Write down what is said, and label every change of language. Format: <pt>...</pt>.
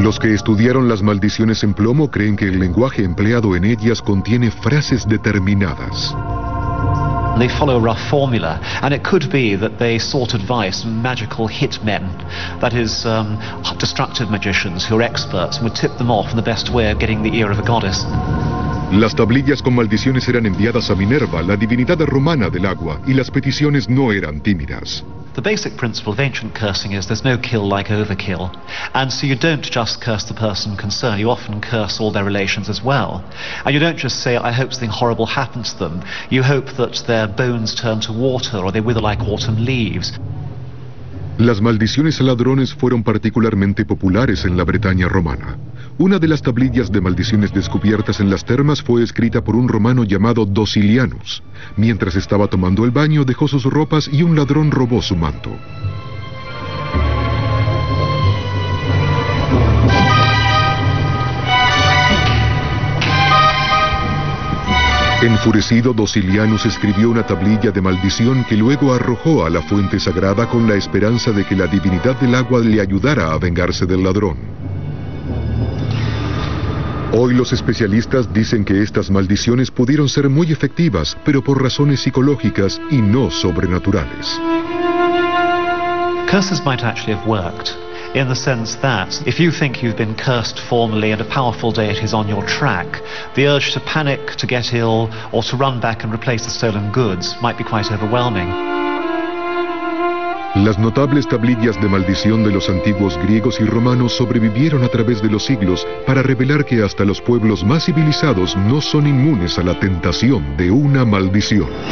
<es>Los que estudiaron las maldiciones en plomo creen que el lenguaje empleado en ellas contiene frases determinadas.</es> <en>They follow a rough formula, and it could be that they sought advice from magical hit men, that is, destructive magicians who are experts and would tip them off in the best way of getting the ear of a goddess.</en> <es>Las tablillas con maldiciones eran enviadas a Minerva, la divinidad romana del agua, y las peticiones no eran tímidas.</es> <en>The basic principle of ancient cursing is there's no kill like overkill. And so you don't just curse the person concerned, you often curse all their relations as well. And you don't just say, I hope something horrible happens to them. You hope that their bones turn to water or they wither like autumn leaves.</en> <es>Las maldiciones a ladrones fueron particularmente populares en la Bretaña romana. Una de las tablillas de maldiciones descubiertas en las termas fue escrita por un romano llamado Docilianus. Mientras estaba tomando el baño, dejó sus ropas y un ladrón robó su manto. Enfurecido, Docilianus escribió una tablilla de maldición que luego arrojó a la fuente sagrada con la esperanza de que la divinidad del agua le ayudara a vengarse del ladrón. Hoy los especialistas dicen que estas maldiciones pudieron ser muy efectivas, pero por razones psicológicas y no sobrenaturales.</es> <en>Curses might actually have worked, in the sense that if you think you've been cursed formally and a powerful deity is on your track, the urge to panic, to get ill, or to run back and replace the stolen goods might be quite overwhelming.</en> <es>Las notables tablillas de maldición de los antiguos griegos y romanos sobrevivieron a través de los siglos para revelar que hasta los pueblos más civilizados no son inmunes a la tentación de una maldición.</es>